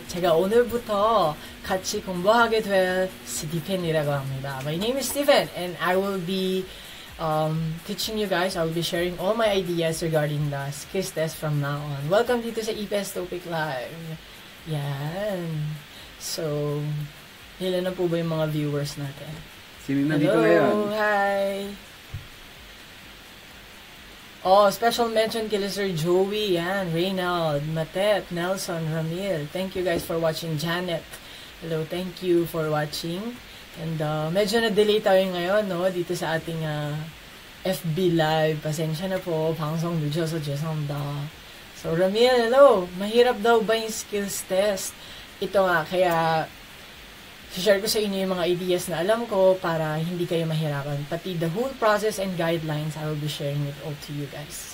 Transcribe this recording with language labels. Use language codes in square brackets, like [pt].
[ko] 제가 오늘부터 같이 공부하게 될 스티펜이라고 합니다. [en] My name is Stephen, and I will be teaching you guys. I will be sharing all my ideas regarding the skills test from now on. [tl] Welcome dito sa EPS Topic Live. Yan. So, ilan na po ba yung mga viewers natin? Sino na dito ngayon? [en] Hello, hi. [tl] Oh, [en] special mention [tl] kay Sir Joey, yan, Reynald, Matet, Nelson, Ramil. [en] Thank you guys for watching. Janet, hello, thank you for watching. [tl] And medyo na-delay tayo ngayon, no, dito sa ating FB Live. Pasensya na po, pangsong nudyo sa Jesonda. So, Ramil, hello, mahirap daw ba yung skills test? Ito nga, kaya share ko sa inyo yung mga ideas na alam ko para hindi kayo mahirapan. [en] Pati the whole process and guidelines, I will be sharing it all to you guys.